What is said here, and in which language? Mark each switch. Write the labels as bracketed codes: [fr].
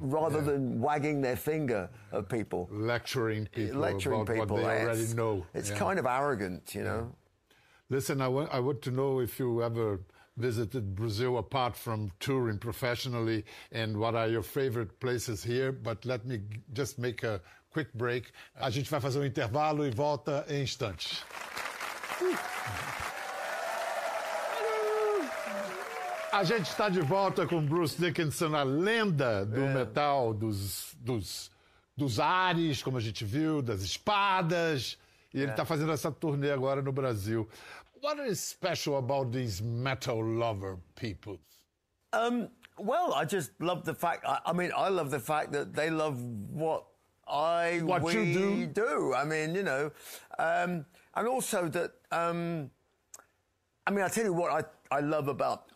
[en] Rather than wagging their finger at people, lecturing people about what they already know. It's kind of arrogant, you know. Listen, I want to know if you ever visited Brazil apart from touring professionally, and what are your favorite places here? But let me just make a quick break. [pt] A gente vai fazer intervalo e volta em instantes. A gente está de volta com Bruce Dickinson, a lenda do metal, dos ares, como a gente viu, das espadas. E ele está fazendo essa turnê agora no Brasil. [en] What is special about these metal lover people? Well, I just love the fact... I love the fact that they love what we do. I mean, you know. And also that... I tell you what I love about...